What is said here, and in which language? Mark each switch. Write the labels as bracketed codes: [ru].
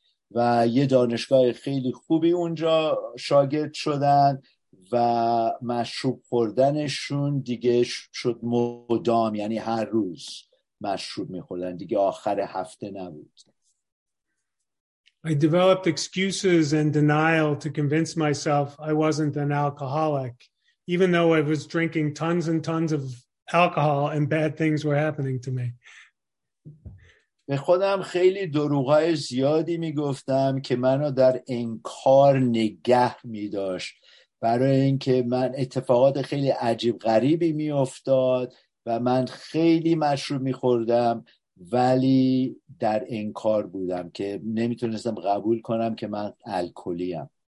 [fa] و یه دانشگاه خیلی خوبی اونجا شاگرد شدن و مشروب خوردنشون دیگه شد مدام یعنی هر روز مشروب می‌خوردن دیگه آخر هفته نبود. [en] I developed excuses and denial to convince myself I wasn't an alcoholic, even though I was drinking tons and tons of alcohol and bad things were happening to me. [fa] به خودم خیلی دروغای زیادی میگفتم که منو در انکار نگه میداشت برای اینکه من اتفاقات خیلی عجیب غریبی میافتاد و من خیلی مشروب میخوردم ولی در انکار بودم که نمیتونستم قبول کنم که من الکلیم.